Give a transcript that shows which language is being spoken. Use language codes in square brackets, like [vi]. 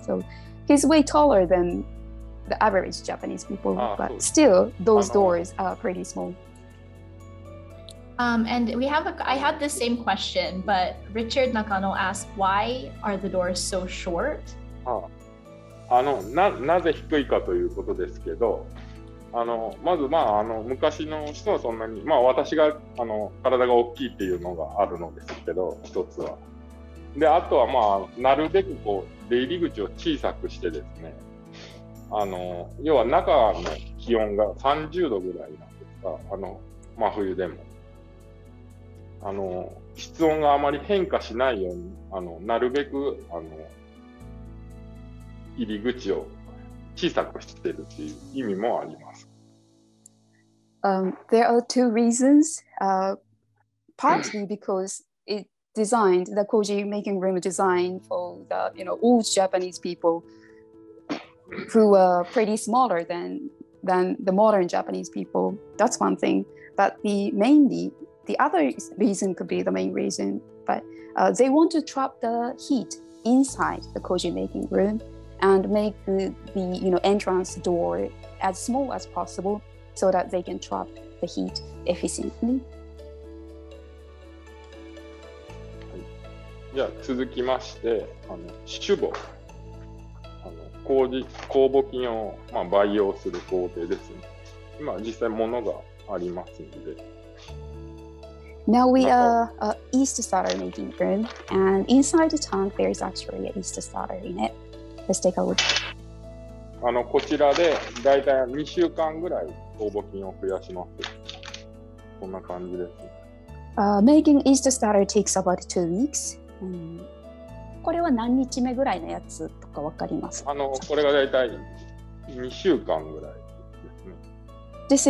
[en] So he's way taller than. The average Japanese people, but still, those doors are pretty small. And we have, I had the same question, but Richard Nakano asked, why are the doors so short? [ja] なぜ低いかということですけど、まず、昔の人はそんなに、私が体が大きいっていうのがあるのですけど、一つは。で、あとは、なるべくこう出入り口を小さくしてですね、要は中の気温が30度ぐらいなんですが、真冬でも。室温があまり変化しないように、なるべく、入り口を小さくしてるっていう意味もあります。 [en] There are two reasons. Partly because it designed the Koji making room design for the, you know, old Japanese people who are pretty smaller than the modern Japanese people. That's one thing. But the other reason could be the main reason. But they want to trap the heat inside the Koji making room. And make the you know, entrance door as small as possible so that they can trap the heat efficiently. [ja] じゃあ続きまして、主母、酵母菌を、培養する工程ですね。今実際ものがありますので。 [en] Now we are a yeast starter making room, and inside the tank there is actually a yeast starter in it. Let's take a look. [ja] こちらでだいたい2週間ぐらい酵母菌を増やします。こんな感じです。 [en] Making yeast starter takes about 2 weeks.、 [ja] これは何日目ぐらいのやつとかわかりますか？これがだいたい2週間ぐらいですね。